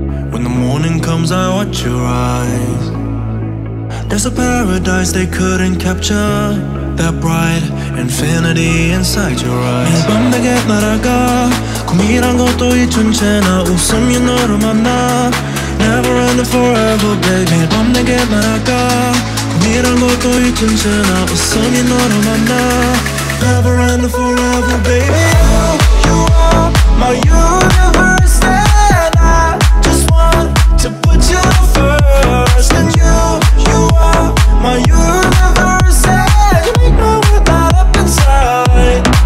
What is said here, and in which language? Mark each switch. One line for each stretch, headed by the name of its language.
English: When the morning comes, I watch your eyes. There's a paradise they couldn't capture, that bright infinity inside your eyes.
Korean: 밤 내게 날아가 꿈이란 것도 잊은 채 나 웃으면 너를 만나.
English: Never and forever, baby.
Korean: 밤 내게 날아가 꿈이란 것도 잊은 채 나 웃으면 너를 만나.
English: Never and forever, baby. You are my universe, and I just want to put you first. And you are my universe, and you make no one that up inside.